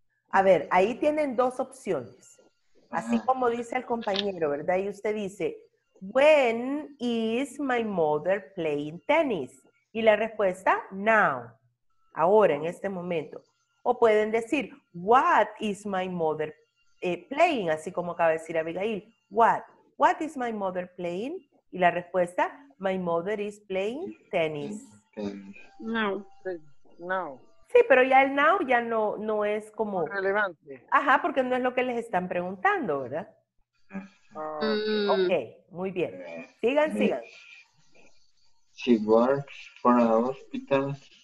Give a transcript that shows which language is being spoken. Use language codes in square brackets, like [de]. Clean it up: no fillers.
[es] A ver, ahí tienen dos opciones. Así como dice el compañero, ¿verdad? Y usted dice, [en] when is my mother playing tennis? [es] Y la respuesta, now. Ahora, en este momento. O pueden decir, [en] what is my mother playing? [es] Así como acaba de decir Abigail, what? [en] What is my mother playing? [es] Y la respuesta, [en] my mother is playing tennis. [es] No. No. Sí, pero ya el now ya no, no es como... relevante. Ajá, porque no es lo que les están preguntando, ¿verdad? Ok, muy bien. Sigan, sigan. [en] She works for a hospital.